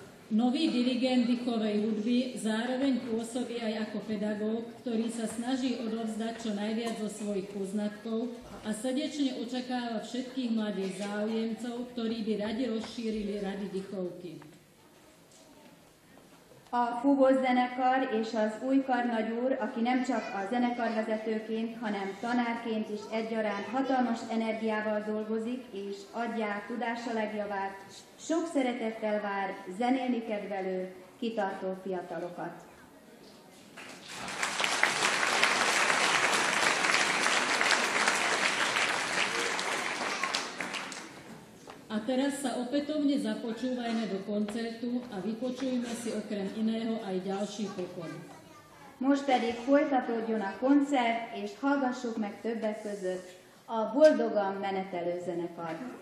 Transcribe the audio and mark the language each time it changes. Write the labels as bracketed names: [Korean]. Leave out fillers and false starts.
[Slovak] Nový dirigent dychovej hudby zároveň pôsobí aj ako pedagóg, ktorý sa snaží odovzdať čo najviac zo svojich poznatkov a srdečne očakáva všetkých mladých záujemcov, ktorí by radi rozšírili rady dychovky. [Hungarian] A fúvó zenekar és az új karnagyúr, aki nem csak a zenekarvezetőként, hanem tanárként is egyaránt hatalmas energiával dolgozik és adja tudása legjavát, sok szeretettel vár zenélni kedvelő, kitartó fiatalokat. [Slovak] A teraz sa opätovne započúvajme do koncertu a vypočujme si okrem iného aj ďalší pokoj. [Hungarian] Most pedig folytatódjon a koncert, és hallgassuk meg többek között a Boldogan menetelő zenekar.